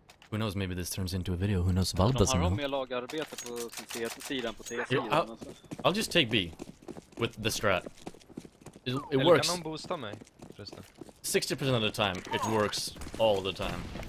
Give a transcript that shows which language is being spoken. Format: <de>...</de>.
<en>Who knows, maybe this turns into a video, who knows, Val doesn't know.</en> <sv>De har mer lagarbete på sin T1-sidan på T1-sidan.</sv> <en>I'll just take B, with the strat. It works.</en> <sv>Eller kan någon boosta mig, förresten.</sv> <en>60% of the time, it works all the time.</en>